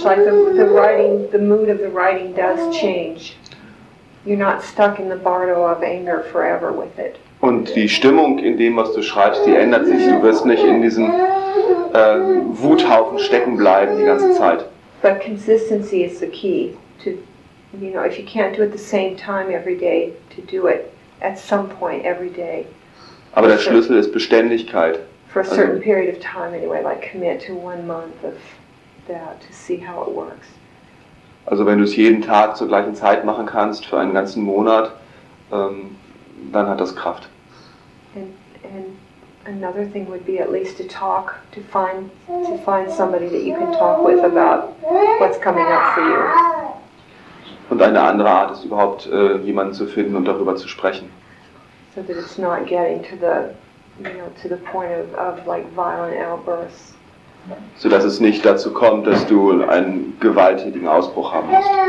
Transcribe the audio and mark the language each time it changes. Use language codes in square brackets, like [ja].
[en] Like the writing, the mood of the writing does change. You're not stuck in the bardo of anger forever with it. [de] Und die Stimmung in dem, was du schreibst, die ändert sich. Du wirst nicht in diesem Wuthaufen stecken bleiben die ganze Zeit. [en] But consistency is the key. If you can't do it the same time every day, to do it at some point every day. [de] Aber der Schlüssel ist Beständigkeit. [en] For a certain period of time anyway, like commit to 1 month of that to see how it works. [de] Also wenn du es jeden Tag zur gleichen Zeit machen kannst für einen ganzen Monat, dann hat das Kraft. [en] And another thing would be at least to talk, to find somebody that you can talk with about what's coming up for you. [de] Und eine andere Art ist überhaupt jemanden zu finden und darüber zu sprechen. [en] So that it's not getting to the, to the point of like violent outbursts. [de] So dass es nicht dazu kommt, dass du einen gewalttätigen Ausbruch haben musst.